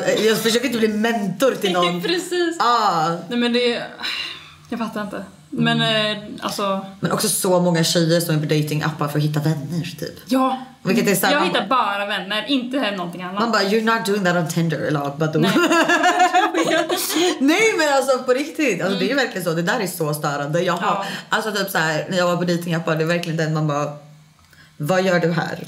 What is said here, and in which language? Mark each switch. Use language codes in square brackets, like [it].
[sv] Jag försöker inte bli mentor till någon. Precis. Ah. Nej men det jag fattar inte. Mm. Men alltså men också så många tjejer som är på dating appar för att hitta vänner typ. Ja. Vilket är så här, jag hittar bara vänner, inte här någonting annat. Man bara [en] you're not doing that on Tinder [sv] eller [en] but the [sv] nej. Nej, men alltså på riktigt. Alltså det är ju verkligen så. Det där är så störande. Jag har alltså typ så här, när jag var på dating appar, det är verkligen den man bara vad gör du här?